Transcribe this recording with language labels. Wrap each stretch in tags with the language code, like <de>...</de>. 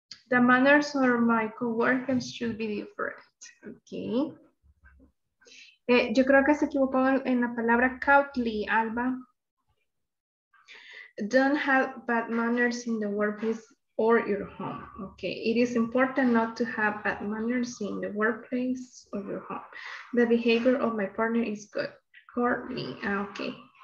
<en>The manners of my coworkers should be different. Okay.</en> <es>Yo creo que se equivocó en la palabra courtly, Alba.</es> <en>Don't have bad manners in the workplace or your home. Okay. It is important not to have bad manners in the workplace or your home. The behavior of my partner is good. Courtly. Okay.</en>